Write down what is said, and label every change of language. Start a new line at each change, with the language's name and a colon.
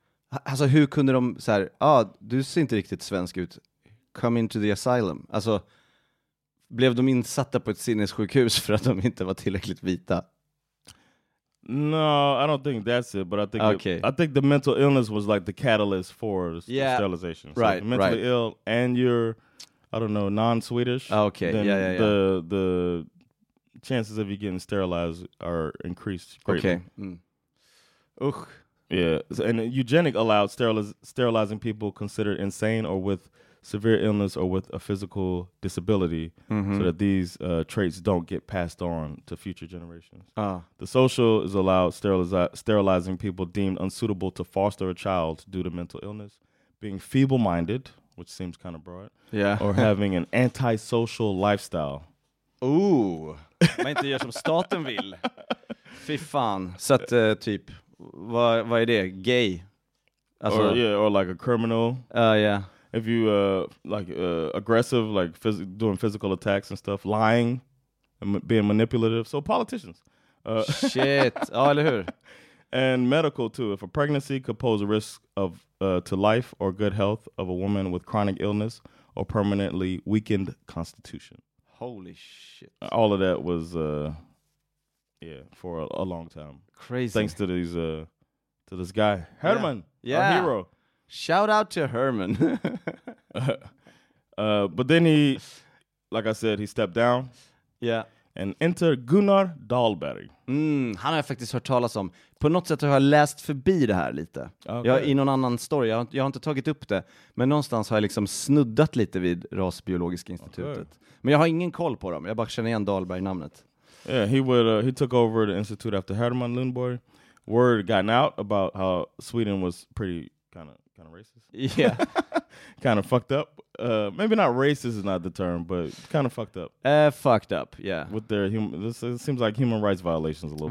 Swedish: Alltså hur kunde de så här, ah, du ser inte riktigt svensk ut.
English: Come into the asylum.
Swedish: Alltså blev de insatta på ett sinnessjukhus för att de inte var tillräckligt vita?
English: No, I don't think that's it, but I think okay. I think the mental illness was like the catalyst for sterilization. So right, mentally right. ill and you're I don't know, non-Swedish. Okay. Then The chances of you getting sterilized are increased greatly. Okay. Ugh. Yeah, so, and eugenic allowed sterilizing people considered insane or with severe illness or with a physical disability so that these traits don't get passed on to future generations. The social is allowed sterilizing people deemed unsuitable to foster a child due to mental illness, being feeble-minded, which seems kind of broad, yeah, or having an antisocial lifestyle.
Swedish: Ooh, man inte gör som staten vill. Fy fan. Så att typ... Vad är det? Gay?
English: Alltså, or like a criminal. Yeah. If you aggressive, like doing physical attacks and stuff, lying, and being manipulative. So politicians.
Swedish: Shit. Ja, eller hur?
English: And medical too. If a pregnancy could pose a risk of to life or good health of a woman with chronic illness or permanently weakened constitution. Holy shit. All of that was... yeah, for a long time. Crazy. Thanks to these, to this guy, Herman, yeah. Our hero. Shout out to Herman. but then he, like I said, he stepped down. Yeah. And enter Gunnar Dahlberg.
Swedish: Mm, han har jag faktiskt hört talas om. På något sätt har jag läst förbi det här lite.
English: Okay.
Swedish: Jag, i någon annan story. Jag har inte tagit upp det. Men någonstans har jag liksom snuddat lite vid Rasbiologiska institutet. Okay. Men jag har ingen koll på dem. Jag bara känner igen Dahlberg-namnet.
English: Yeah, he took over the institute after Herman Lundborg. Word gotten out about how Sweden was pretty kind of racist. Yeah. Kind of fucked up. Maybe not racist is not the term, but kind of fucked up. Fucked up, yeah. With their it seems like human rights violations a little